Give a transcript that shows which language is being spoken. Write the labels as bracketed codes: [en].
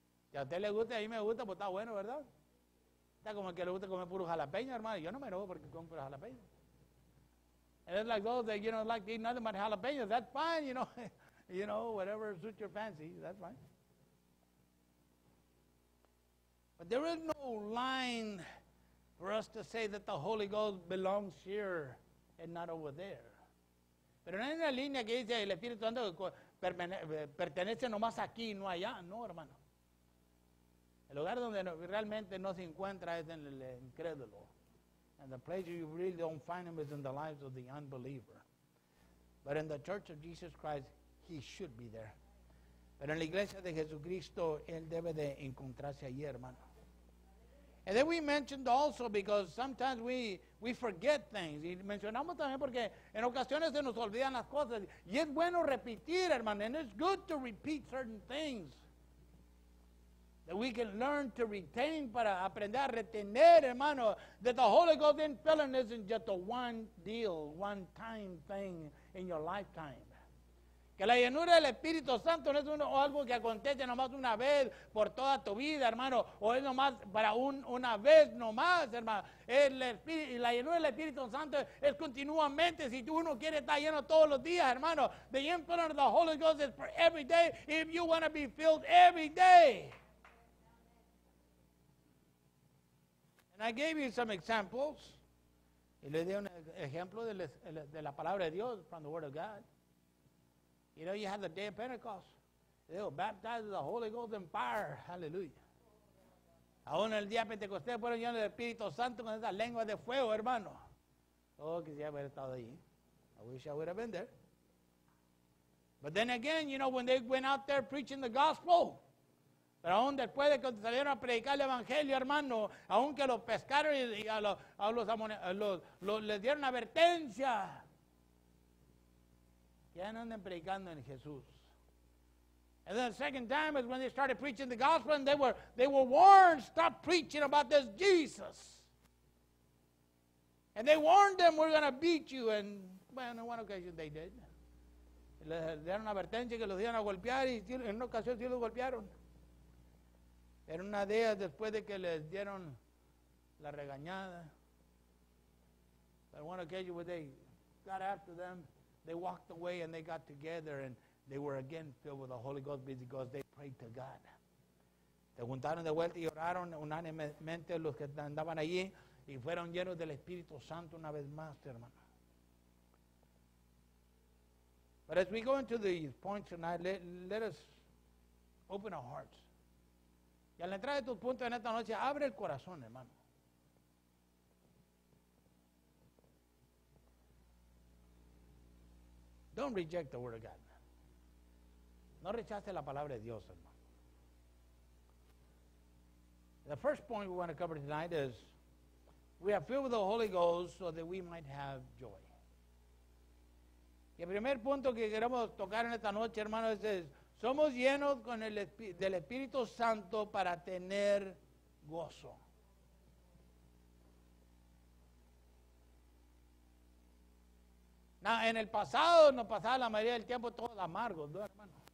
[es] Si a usted le gusta, a mí me gusta, pues está bueno, ¿verdad? Está como el que le gusta comer puro jalapeño, hermano. Yo no me enojo porque como puro jalapeño. [en] And it's like those that, you know, like to eat nothing but jalapeños. That's fine, you know. You know, whatever suits your fancy, that's fine. But there is no line for us to say that the Holy Ghost belongs here and not over there. [es] Pero no hay una línea que dice el Espíritu Santo pertenece nomás aquí y no allá. No, hermano. El lugar donde realmente no se encuentra es en el incrédulo. [en] And the place you really don't find him is in the lives of the unbeliever. But in the church of Jesus Christ, he should be there. [es] Pero en la iglesia de Jesucristo, él debe de encontrarse allí, hermano. [en] And then we mentioned also, because sometimes we forget things. [es] Y mencionamos también porque en ocasiones se nos olvidan las cosas. Y es bueno repetir, hermano. [en] And it's good to repeat certain things that we can learn to retain, [es] para aprender a retener, hermano, [en] that the Holy Ghost infilling isn't just a one deal, one time thing in your lifetime. [es] Que la llenura del Espíritu Santo no es uno, o algo que acontece nomás una vez por toda tu vida, hermano. O es nomás para una vez nomás, hermano. La llenura del Espíritu Santo es continuamente. Si uno quiere estar lleno todos los días, hermano. [en] The infilling of the Holy Ghost is for every day. If you want to be filled every day. And I gave you some examples. [es] Y le di un ejemplo de la palabra de Dios, [en] from the Word of God. You know, you have the day of Pentecost. They were baptized with the Holy Ghost and fire. Hallelujah. [es] Aún el día Pentecostés fueron llenos del Espíritu Santo con esa lengua de fuego, hermano. Oh, quisiera haber estado ahí. [en] I wish I would have been there. But then again, you know, when they went out there preaching the gospel, [es] pero aún después de que salieron a predicar el evangelio, hermano, aunque los pescaron y a los les dieron advertencia, ya no andan predicando en Jesús. [en] And then the second time is when they started preaching the gospel and they were warned, stop preaching about this Jesus. And they warned them, we're going to beat you. And, well, in one occasion they did. [es] Les dieron una advertencia que los iban a golpear y en una ocasión sí los golpearon. Era una de ellas después de que les dieron la regañada. [en] But in one occasion when they got after them, they walked away and they got together and they were again filled with the Holy Ghost because they prayed to God. [es] Se juntaron de vuelta y oraron unánimemente los que andaban allí y fueron llenos del Espíritu Santo una vez más, hermano. [en] But as we go into these points tonight, let us open our hearts. [es] Y al entrar de tus puntos en esta noche, abre el corazón, hermano. [en] Don't reject the word of God. [es] No rechace la palabra de Dios, hermano. [en] The first point we want to cover tonight is we are filled with the Holy Ghost so that we might have joy. [es] Y el primer punto que queremos tocar en esta noche, hermano, es somos llenos con del Espíritu Santo para tener gozo. En el pasado nos pasaba la mayoría del tiempo todos amargos, ¿no, hermano?